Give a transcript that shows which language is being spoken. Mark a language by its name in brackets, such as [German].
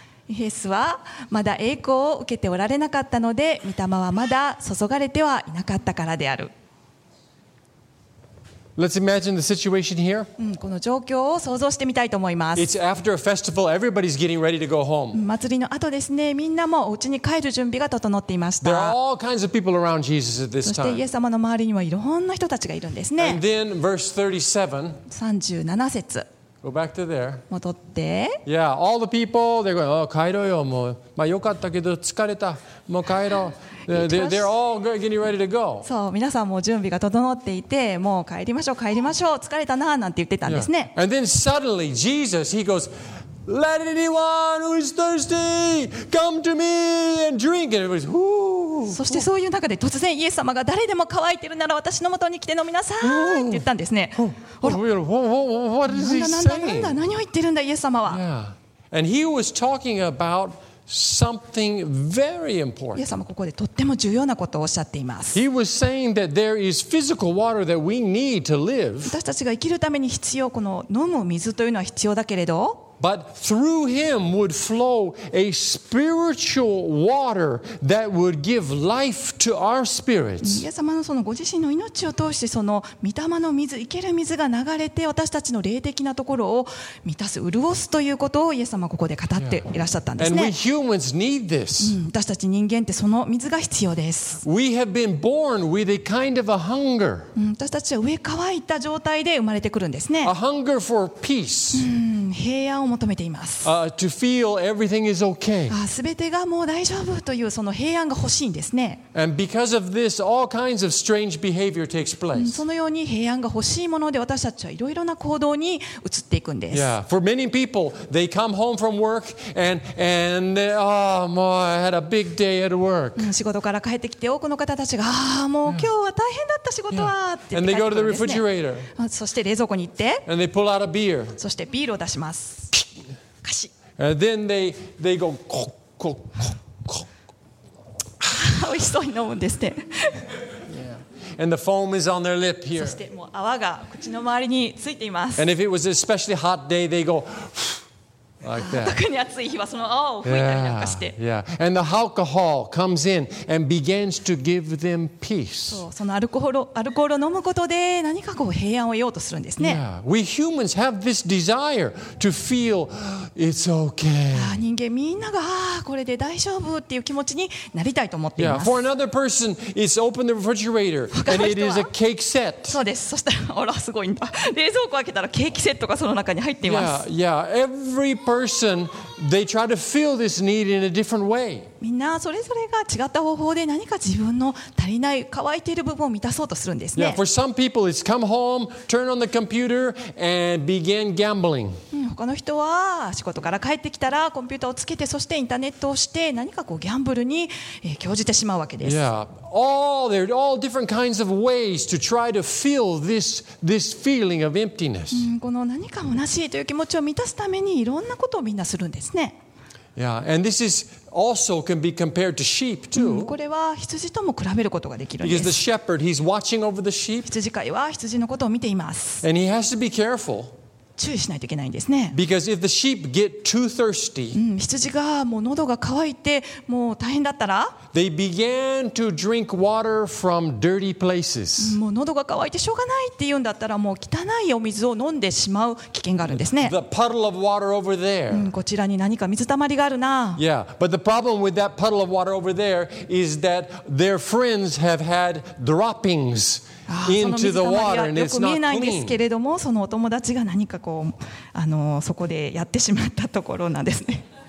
[Japanese] イエスはまだ栄光を受けておられなかったので御霊はまだ注がれてはいなかったからである。 [English] Let's imagine the situation here. [Japanese] この状況を想像してみたいと思います。 [English] It's after a festival. Everybody's getting ready to go home. [Japanese] 祭りの後ですね、みんなもお家に帰る準備が整っていました。 [English] There are all kinds of people around Jesus at this time. [Japanese] そしてイエス様の周りにはいろんな人たちがいるんですね。 [English] And then verse 37. [Japanese] 37節。 [English] Go back to there. [Japanese] 戻って。 [English] Yeah, all the people, they're going, oh, [Japanese] 帰ろうよ、もう。まあよかったけど疲れた。もう帰ろう。 [English] They're all getting ready to go. [Japanese] そう、皆さんも準備が整っていて、もう帰りましょう、帰りましょう、疲れたなーなんて言ってたんですね。 [English] Yeah. And then suddenly, Jesus, he goes, Let anyone who is thirsty come to me and drink. And everybody's, whoo! [Japanese] そしてそういう中で突然イエス様が誰でも渇いてるなら私のもとに来て飲みなさいって言ったんですね。 [English] What is he saying? [Japanese] 何を言ってるんだ、イエス様は。 [English] Yeah. And he was talking aboutSomething very important. [Japanese] イエス様ここでとっても重要なことをおっしゃっています。 [English] He was saying that there is physical water that we need to live. [Japanese] 私たちが生きるために必要、この飲む水というのは必要だけれど。 [English] But through him would flow a spiritual water that would give life to our spirits. [Japanese] イエス様のそのご自身の命を通してその御霊の水、生ける水が流れて私たちの霊的なところを満たす、潤すということをイエス様ここで語っていらっしゃったんですね。 [English] And we humans need this. [Japanese] 私たち人間ってその水が必要です。 [English] We have been born with a kind of a hunger. [Japanese] 私たちは飢えた状態で生まれてくるんですね。 [English] A hunger for peace. [Japanese] 平安を求めています。 [English] To feel everything is okay. [Japanese] すべてがもう大丈夫というその平安が欲しいんですね。 [English] And because of this, all kinds of strange behavior takes place. [Japanese] そのように平安が欲しいもので私たちはいろいろな行動に移っていくんです。 [English] Yeah, for many people, they come home from work and they, oh, my, I had a big day at work. [Japanese] 仕事から帰ってきて多くの方たちが、ああ、もう今日は大変だった仕事は。 [English] And they go to the refrigerator. [Japanese] そして冷蔵庫に行って。 [English] And they pull out a beer. [Japanese] そしてビールを出します。 [English] And then they go, cook, cook, cook, cook. [Japanese] おいしそうに飲むんですね。 [English] And the foam is on their lip here. [Japanese] そしてもう泡が口の周りについています。 [English] And if it was an especially hot day, they go, like that. [Japanese] 特に暑い日はその泡を吹いたりなんかして。 [English] Yeah. And the alcohol comes in and begins to give them peace. [Japanese] そのアルコールを飲むことで何かこう平安を得ようとするんですね。 [English] Yeah. We humans have this desire to feel it's okay. [Japanese] 人間みんながこれで大丈夫っていう気持ちになりたいと思っています。 [English] Yeah. For another person, it's open the refrigerator and it is a cake set. [Japanese] そうです。そしたら、あら、すごいんだ。冷蔵庫開けたらケーキセットがその中に入っています。 [English] Yeah. Yeah. Every person, they try to fill this need in a different way. [Japanese] みんなそれぞれが違った方法で何か自分の足りない乾いている部分を満たそうとするんですね。 [English] Yeah, for some people, it's come home, turn on the computer, and begin gambling. [Japanese] 他の人は仕事から帰ってきたらコンピューターをつけてそしてインターネットをして何かこうギャンブルに興じてしまうわけです。 [English] Yeah, there are all different kinds of ways to try to fill this feeling of emptiness. [Japanese] この何か虚しいという気持ちを満たすためにいろんなことをみんなするんですね。 [English] Yeah, and this is also can be compared to sheep too. [Japanese] これは羊とも比べることができるんです。 [English] Because the shepherd, he's watching over the sheep. [Japanese] 羊飼いは羊のことを見ています。 [English] And he has to be careful. [Japanese] 注意しないといけないんですね。 [English] Because if the sheep get too thirsty, [Japanese] 羊がもう喉が渇いてもう大変だったら、 [English] they began to drink water from dirty places. [Japanese] もう喉が渇いてしょうがないって言うんだったら、もう汚いお水を飲んでしまう危険があるんですね。 [English] The puddle of water over there. [Japanese] こちらに何か水たまりがあるな。 [English] Yeah, but the problem with that puddle of water over there is that their friends have had droppings. [Japanese] その水たまりはよく見えないんですけれども、そのお友達が何かこうそこでやってしまったところなんですね。